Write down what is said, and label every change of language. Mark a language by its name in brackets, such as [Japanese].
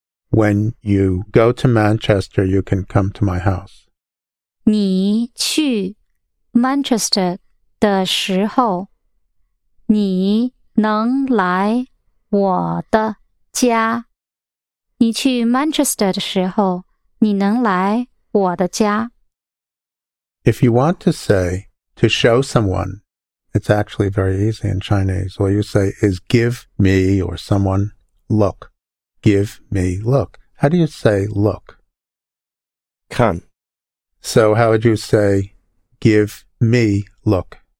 [English] When you go to Manchester, you can come to my house. [Chinese] 你去 Manchester 的时候你能来我的家你去 Manchester 的时候你能来我的家 [English] If you want to say, to show someone, it's actually very easy in Chinese. What you say is give me or someone look. Give me look. How do you say look? [Chinese] 看. [English] So how would you say give me look?